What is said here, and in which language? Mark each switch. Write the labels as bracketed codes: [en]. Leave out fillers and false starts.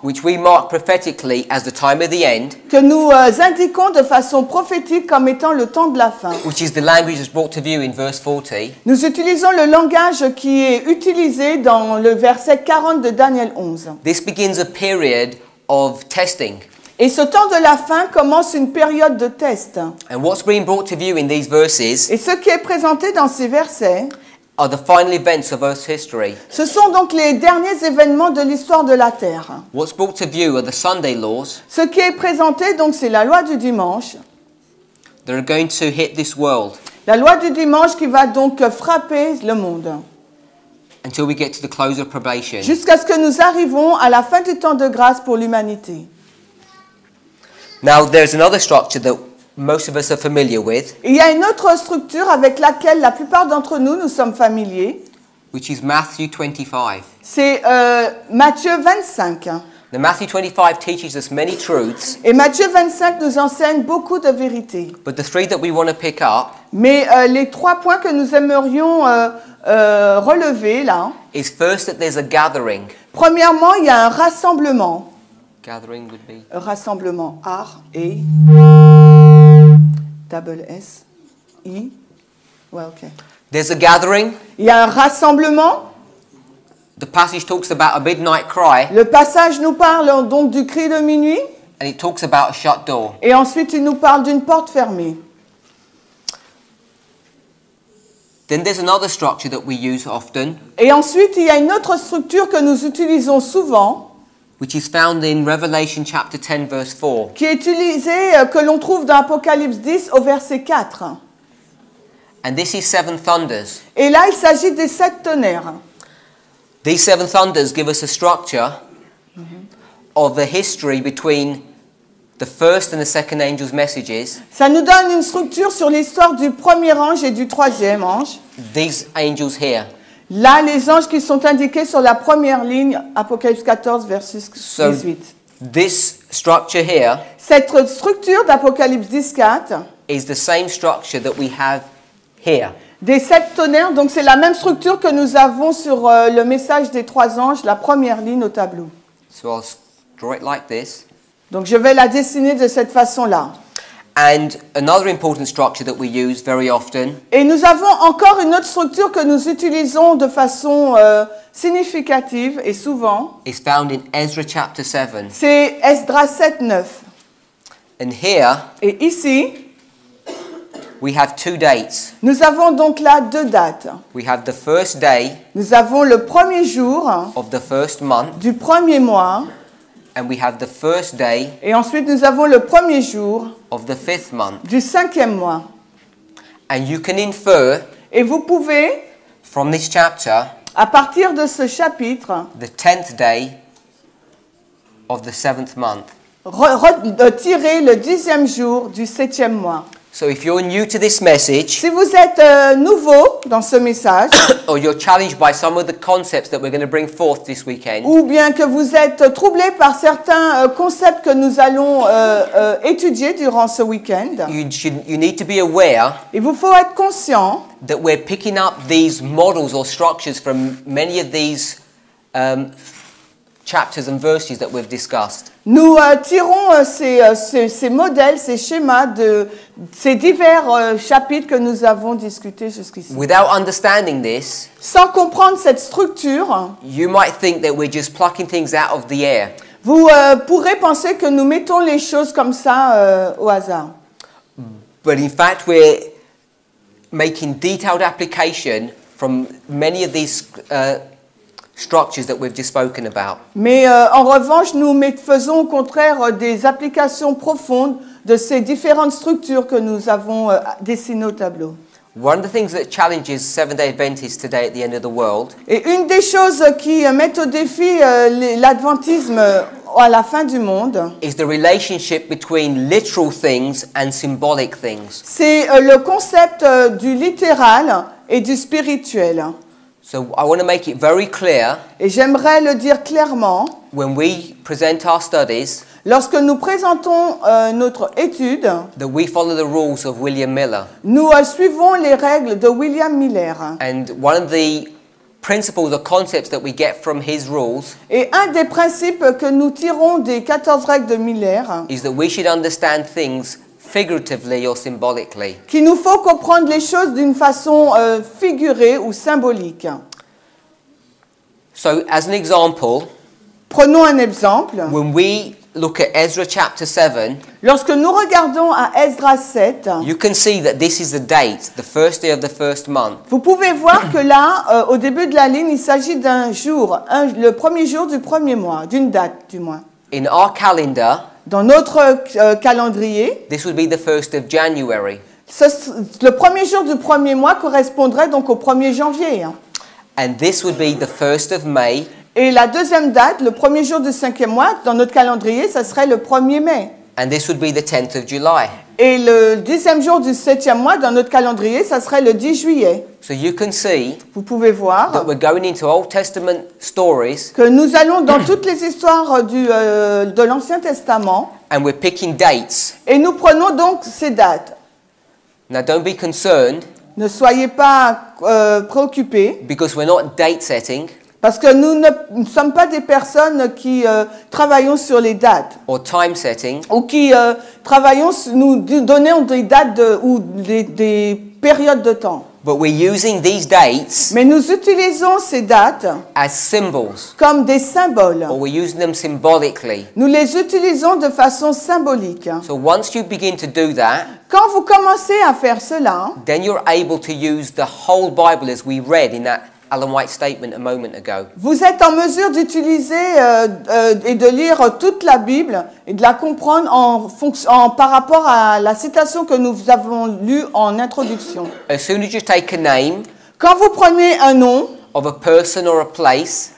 [en] which we mark prophetically as the time of the end, [fr] que nous indiquons de façon prophétique comme étant le temps de la fin. [en] Which is the language that's brought to view in verse 40. [fr] Nous utilisons le langage qui est utilisé dans le verset 40 de Daniel 11. [en] This begins a period of testing. [fr] Et ce temps de la fin commence une période de test. [en] And what's being brought to view in these verses, [fr] et ce qui est présenté dans ces versets, [en] are the final events of Earth's history. [fr] Ce sont donc les derniers événements de l'histoire de la Terre. [en] What's brought to view are the Sunday laws. [fr] Ce qui est présenté donc c'est la loi du dimanche. [en] They're going to hit this world. [fr] La loi du dimanche qui va donc frapper le monde. [en] Until we get to the close of probation. [fr] Jusqu'à ce que nous arrivons à la fin du temps de grâce pour l'humanité. [en] Now there's another structure that most of us are familiar with. [fr] Il y a une autre structure avec laquelle la plupart d'entre nous sommes familiers. [en] Which is Matthew 25. [fr] C'est Matthieu 25. [en] The Matthew 25 teaches us many truths. [fr] Et Matthieu 25 nous enseigne beaucoup de vérités. [en] But the three that we want to pick up. [fr] Mais les trois points que nous aimerions relever là. [en] Is first that there's a gathering. [fr] Premièrement, il y a un rassemblement. [en] Gathering would be. [fr] Rassemblement. R A double S I. [en] Well, okay. There's a gathering. [fr] Il y a un rassemblement. [en] The passage talks about a midnight cry. [fr] Le passage nous parle donc du cri de minuit. [en] And it talks about a shut door. [fr] Et ensuite, il nous parle d'une porte fermée. [en] Then there's another structure that we use often. [fr] Et ensuite, il y a une autre structure que nous utilisons souvent. [en] Which is found in Revelation chapter 10, verse 4. [fr] Qui est utilisée, que l'on trouve dans Apocalypse 10 au verset 4. [en] And this is seven thunders. [fr] Et là, il s'agit des sept tonnerres. [en] These seven thunders give us a structure of the history between the first and the second angel's messages. [fr] Ça nous donne une structure sur l'histoire du premier ange et du troisième ange. [en] These angels here. [fr] Là, les anges qui sont indiqués sur la première ligne, Apocalypse 14, verset 18. [en] So, this structure here. [fr] Cette structure d'Apocalypse 10, 4. [en] Is the same structure that we have here. [fr] Des sept tonnerres, donc c'est la même structure que nous avons sur le message des trois anges, la première ligne au tableau. [en] So I'll draw it like this. [fr] Donc je vais la dessiner de cette façon-là. [en] And another important structure that we use very often. [fr] Et nous avons encore une autre structure que nous utilisons de façon significative et souvent. [en] It's found in Ezra chapter 7. [fr] C'est Esdras 7, 9. [en] And here, [fr] et ici, [en] we have two dates. [fr] Nous avons donc là deux dates. [en] We have the first day. [fr] Nous avons le premier jour. [en] Of the first month. [fr] Du premier mois. [en] And we have the first day. [fr] Et ensuite nous avons le premier jour. [en] Of the fifth month. [fr] Du cinquième mois. [en] And you can infer. [fr] Et vous pouvez. [en] From this chapter. [fr] À partir de ce chapitre. [en] The tenth day. Of the seventh month. [fr] Retirer le dixième jour du septième mois. [en] So if you're new to this message, [fr] si vous êtes nouveau dans ce message, [en] or you're challenged by some of the concepts that we're going to bring forth this weekend, [fr] ou bien que vous êtes troublé par certains concepts que nous allons étudier durant ce weekend, [en] you need to be aware. [fr] Il vous faut être conscient [en] that we're picking up these models or structures from many of these chapters and verses that we've discussed. [fr] Nous tirons ces modèles, ces schémas de ces divers chapitres que nous avons discutés jusqu'ici. [en] Without understanding this, [fr] sans comprendre cette structure, [en] you might think that we're just plucking things out of the air. [fr] Vous pourrez penser que nous mettons les choses comme ça au hasard. [en] But in fact, we're making detailed application from many of these structures that we've just spoken about. [fr] Mais en revanche, nous faisons au contraire des applications profondes de ces différentes structures que nous avons dessinées au tableau. [en] One of the things that challenges Seventh-day Adventists today at the end of the world. [fr] Et une des choses qui met au défi l'adventisme à la fin du monde. [en] Is the relationship between literal things and symbolic things. [fr] C'est le concept du littéral et du spirituel. [en] So I want to make it very clear. [fr] Et j'aimerais le dire clairement. [en] When we present our studies. [fr] Lorsque nous présentons notre étude. [en] That we follow the rules of William Miller. [fr] Nous suivons les règles de William Miller. [en] And one of the principles or concepts that we get from his rules. [fr] Et un des principes que nous tirons des 14 règles de Miller. [en] Is that we should understand things figuratively or symbolically. [fr] Qu'il nous faut comprendre les choses d'une façon figurée ou symbolique. [en] So, as an example, [fr] prenons un exemple. [en] When we look at Ezra chapter 7, [fr] lorsque nous regardons à Ezra 7, [en] you can see that this is the date, the first day of the first month. [fr] Vous pouvez voir que là, au début de la ligne, il s'agit d'un jour, le premier jour du premier mois, d'une date du mois. [en] In our calendar, [fr] dans notre calendrier, [en] this would be the first of January. [fr] Le premier jour du premier mois correspondrait donc au 1er janvier. [en] And this would be the first of May. [fr] Et la deuxième date, le premier jour du cinquième mois, dans notre calendrier, ça serait le 1er mai. [en] And this would be the 10th of July. [fr] Et le dixième jour du septième mois, dans notre calendrier, ça serait le 10 juillet. [en] So you can see, [fr] vous pouvez voir, [en] that we're going into Old Testament stories, [fr] que nous allons dans toutes les histoires de l'Ancien Testament, [en] and we're picking dates. [fr] Et nous prenons donc ces dates. [en] Now don't be concerned, [fr] Ne soyez pas préoccupés. [en] Because we're not date setting. [fr] Parce que nous ne sommes pas des personnes qui travaillons sur les dates. [en] Or time setting. [fr] Ou qui travaillons, nous donnons des dates de, ou des périodes de temps. [en] But we're using these dates. [fr] Mais nous utilisons ces dates. [en] As symbols. [fr] Comme des symboles. [en] Or we're using them symbolically. [fr] Nous les utilisons de façon symbolique. [en] So once you begin to do that. [fr] Quand vous commencez à faire cela. [en] Then you're able to use the whole Bible as we read in that Ellen White statement a moment ago. [fr] Vous êtes en mesure d'utiliser et de lire toute la Bible et de la comprendre en par rapport à la citation que nous avons lue en introduction. [en] As soon as you take a name, [fr] quand vous prenez un nom, [en] of a person or a place,